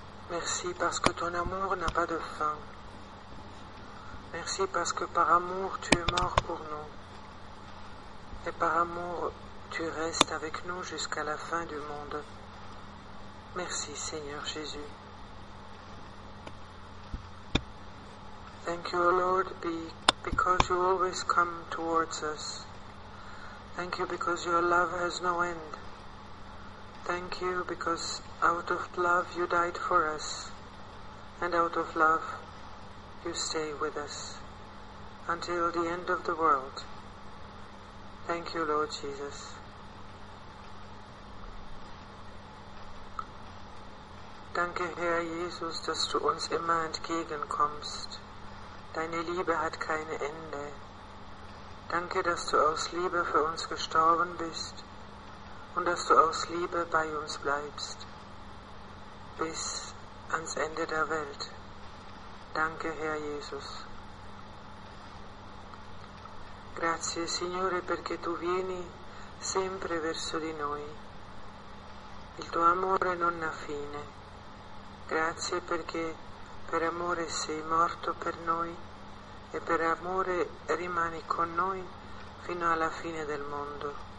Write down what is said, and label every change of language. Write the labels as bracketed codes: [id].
[fr] Merci parce que ton amour n'a pas de fin. Merci parce que par amour tu es mort pour nous. Et par amour tu restes avec nous jusqu'à la fin du monde. Merci Seigneur Jésus. [en] Thank you, Lord, because you always come towards us. Thank you because your love has no end. Thank you because out of love you died for us, and out of love you stay with us until the end of the world. Thank you, Lord Jesus. [de] Danke, Herr Jesus, dass du uns immer entgegenkommst. Deine Liebe hat kein Ende. Danke, dass du aus Liebe für uns gestorben bist und dass du aus Liebe bei uns bleibst, bis ans Ende der Welt. Danke, Herr Jesus. [it] Grazie, Signore, perché tu vieni sempre verso di noi. Il tuo amore non ha fine. Grazie perché per amore sei morto per noi e per amore rimani con noi fino alla fine del mondo.